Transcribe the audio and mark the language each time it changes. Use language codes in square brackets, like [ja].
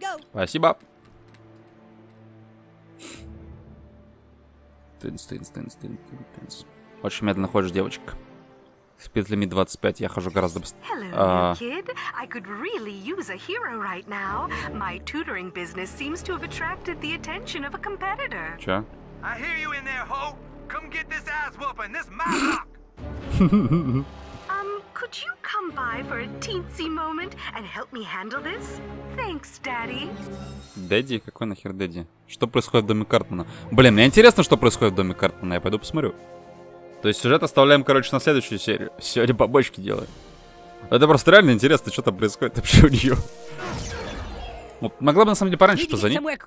[ru] Спасибо. Тынс. Очень медленно ходишь, девочка. С петлями 25 я хожу гораздо быстрее. [en] Hello, kid. I could really use a hero right now. My tutoring business seems to have attracted the attention of a competitor. [ru] Чё? [en] I hear you in there, ho. Come get this ass whooping. This my rock. Could you come by for a teensy moment and help me handle this? Thanks, Daddy. [ru] Дэдди? Какой нахер Дэдди? Что происходит в доме Картмана? Блин, мне интересно, что происходит в доме Картмана. Я пойду посмотрю. То есть сюжет оставляем, короче, на следующую серию. Сегодня побочки делаем. Это просто реально интересно, что там происходит вообще у нее. Вот, могла бы на самом деле пораньше позвонить.